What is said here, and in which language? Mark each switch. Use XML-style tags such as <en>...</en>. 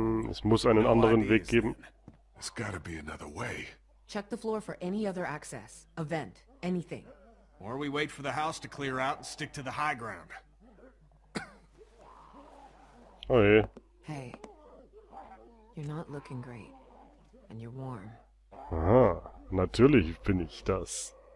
<de>Es muss einen anderen Weg geben.</de> <en>There's gotta be another way. Check the floor for any other access, a vent, anything. Or we wait for the house to clear out and stick to the high ground. Oh, yeah. Hey, you're not looking great, and you're warm.</en> <de>Aha, natürlich bin ich das.</de>